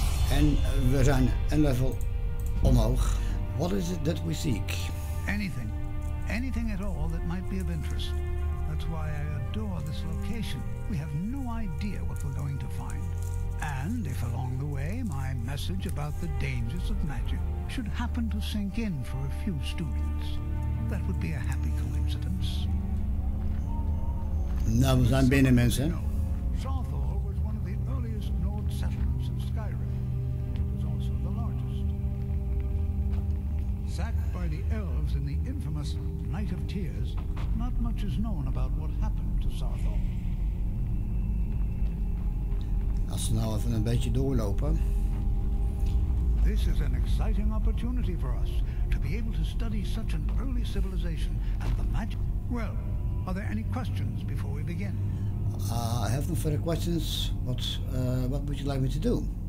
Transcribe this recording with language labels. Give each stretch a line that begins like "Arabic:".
Dutch: En we zijn een level omhoog.
English: What is it that we seek? Anything. Anything at all that might be of interest. That's why I adore this location. We have no idea what we're going to find. And if along the way my message about the dangers of magic should happen to sink in for a few students, that would be a happy coincidence.
Dutch: Nou, we zijn binnen, mensen.
English: Sarthol was one of the earliest Nord settlements of Skyrim. It was also the largest. Sacked by the elves in the infamous Night of Tears, not much is known about what happened to Sarthol.
Dutch: Als ze nou even een beetje doorlopen.
English: This is an exciting opportunity for us to be able to study such an early civilization and the magic. Well, are there any questions before we begin? I have no further questions. What would you like me to do?